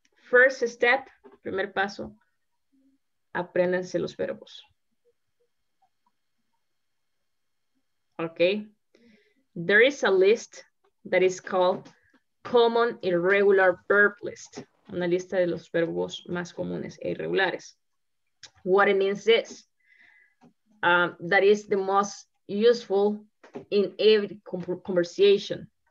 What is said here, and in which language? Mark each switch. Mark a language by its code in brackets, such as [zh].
[en] First step, [es] primer paso, apréndanse los verbos. [en] Okay. There is a list that is called Common Irregular Verb List. [es] Una lista de los verbos más comunes e irregulares. [en] What it means is, that is the most useful in every conversation.